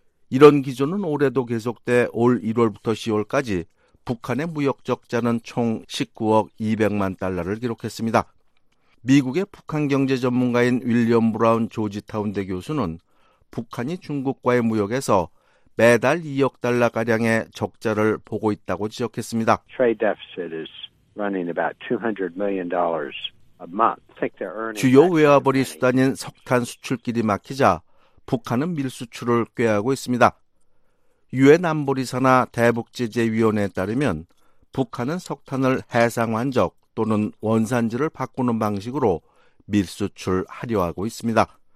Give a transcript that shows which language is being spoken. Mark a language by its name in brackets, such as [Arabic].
[Korean] 이런 기조는 올해도 계속돼 올 1월부터 10월까지 북한의 무역 적자는 총 19억 200만 달러를 기록했습니다. 미국의 북한 경제 전문가인 윌리엄 브라운 조지타운 대 교수는 북한이 중국과의 무역에서 매달 2억 달러가량의 적자를 보고 있다고 지적했습니다. [English] Trade deficit is running about $200 million a month. [Korean] 주요 외화벌이 수단인 석탄 수출길이 막히자 북한은 밀수출을 꾀하고 있습니다. 유엔 안보리사나 대북제재위원회에 따르면 북한은 석탄을 해상환적 또는 원산지를 바꾸는 방식으로 밀수출하려 하고 있습니다.